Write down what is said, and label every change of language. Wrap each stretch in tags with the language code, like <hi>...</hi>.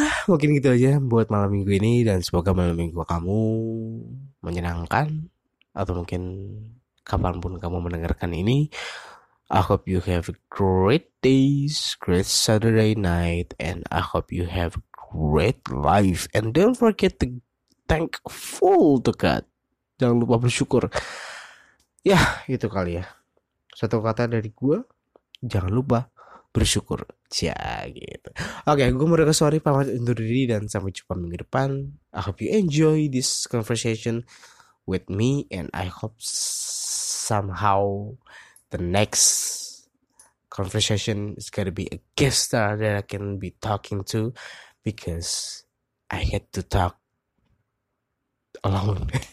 <id>Mungkin gitu aja buat malam minggu ini, dan semoga malam minggu kamu menyenangkan, atau mungkin kapanpun kamu mendengarkan ini.</id> <en>I hope you have great days, great Saturday night, and I hope you have great life. And don't forget to thankful to God.</en> <id>Jangan lupa bersyukur. Ya, itu kali ya. Satu kata dari gue, jangan lupa bersyukur. Ya, gitu. Oke, gue mau rekam suara pamit undur diri, dan sampai jumpa minggu depan.</id> <en>I hope you enjoy this conversation with me, and I hope somehow the next conversation is gonna be a guest star that I can be talking to, because I had to talk alone.</en>